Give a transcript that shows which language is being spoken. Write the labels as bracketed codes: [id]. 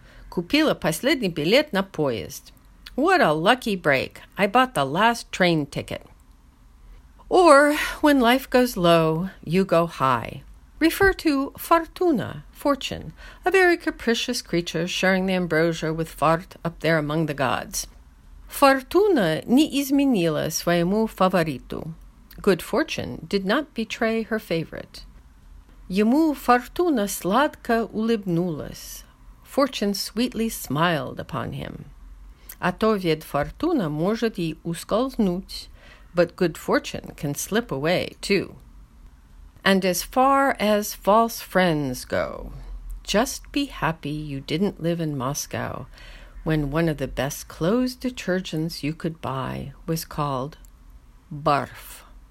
[ru] Купила последний билет на поезд. [en] What a lucky break. I bought the last train ticket. Or, when life goes low, you go high. Refer to fortuna, fortune, a very capricious creature sharing the ambrosia with fart up there among the gods. [ru] Fortuna не изменила своему фавориту. [en] Good fortune did not betray her favorite. [ru] Ему фортуна сладко улыбнулась. [en] Fortune sweetly smiled upon him. [ru] А то ведь фортуна может и ускользнуть. [en] But good fortune can slip away, too. And as far as false friends go, just be happy you didn't live in Moscow when one of the best clothes detergents you could buy was called barf.